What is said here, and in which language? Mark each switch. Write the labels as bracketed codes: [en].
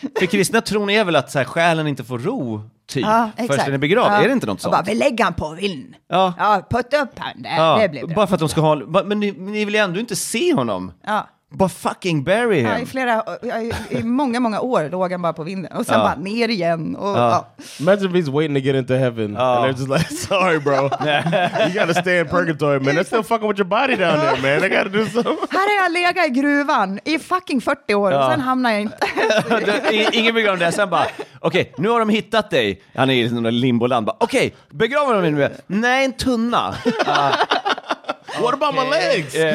[sv] För kristna tron är väl att såhär, själen inte får ro. Typ. Först den är begravd. Är det inte något sånt? Bara, vi lägger han på vind. Putt upp han. Det blir bara för att de ska ha... Men ni vill ju ändå inte se honom. Ja. [en] Bara fucking bury him. [sv] I många, många år låg han bara på vinden. Och sen bara ner igen. [en] Imagine if he's waiting to get into heaven. And they're just like, sorry bro. You gotta stay in purgatory, man. They're still fucking with your body down there, man. I gotta do something. [sv] Här är jag lega i gruvan i fucking 40 år. Och sen hamnar jag inte. Ingen begravning där. Sen bara, okej, nu har de hittat dig. Han är i någon limboland. Okej, begrava dem nu. Nej, en tunna. [en] What about my legs?